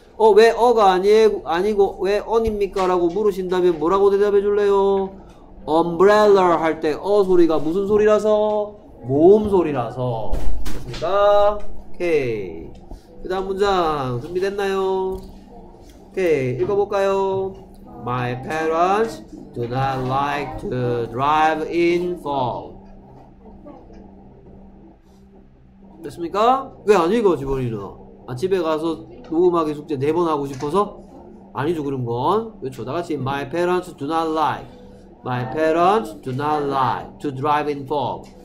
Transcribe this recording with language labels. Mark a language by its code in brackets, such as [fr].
[ko] 어, 왜 어가 아니고 왜 언입니까? 라고 물으신다면 뭐라고 대답해 줄래요? umbrella 할 때 어 소리가 무슨 소리라서? 모음 소리라서. 됐습니까? 오케이. 그 다음 문장 준비됐나요? 오케이. 읽어볼까요? [en] My parents do not like to drive in fall. [ko] 됐습니까? 왜 안 읽어, 지번이는? 아, 집에 가서 녹음하기 숙제 네 번 하고 싶어서? 아니죠, 그런 건. 그렇죠. 다 같이. [en] My parents do not like. My parents do not like to drive in fall.